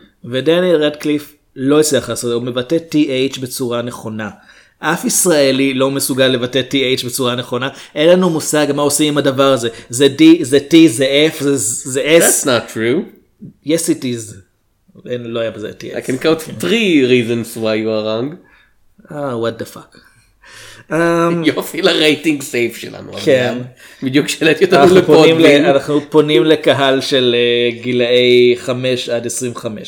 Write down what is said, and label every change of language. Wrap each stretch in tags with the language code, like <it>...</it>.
<he>ודניאל רדקליף לא יצליח לעשות, הוא מבטא TH בצורה נכונה. אף ישראלי לא מסוגל לבטא TH בצורה נכונה, אין לנו מושג מה עושים עם הדבר הזה. זה D, זה T, זה F, זה S.</he> <en>That's not true. Yes, it is.</en> <he>אין, לא היה בזה TH.</he> <en>I can count three reasons why you are wrong. What the fuck.</en> <he>יופי לרייטינג סייף שלנו. כן. בדיוק שאלתי אותנו לפודבין. אנחנו פונים לקהל של גילאי 5-25.</he>